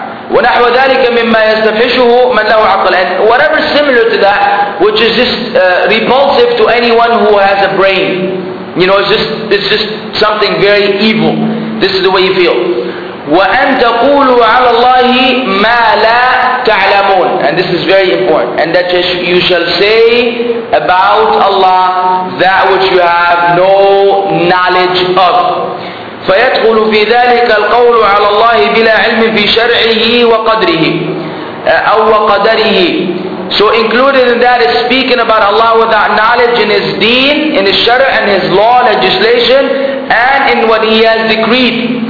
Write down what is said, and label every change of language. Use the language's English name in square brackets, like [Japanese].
[Arabic] ونحو ذلك مما يستفحشه من له عقل, [English] and whatever similar to that, which is just repulsive to anyone who has a brain. You know, it's just something very evil. This is the way you feel. [Arabic] وَأَن تَقُولُوا عَلَى اللَّهِ مَا لَا تَعْلَمُونَ, [English] and this is very important. And that you shall say about Allah that which you have no knowledge of. [Arabic] فَيَدْخُلُ فِي ذَلِكَ الْقَوْلُ عَلَى اللَّهِ بِلَا عِلْمٍ فِي شَرْعِهِ وَقَدْرِهِ أَوْ وَقَدَرِهِ. [English] So included in that is speaking about Allah without knowledge in His deen, in His shara and His law, legislation, and in what He has decreed.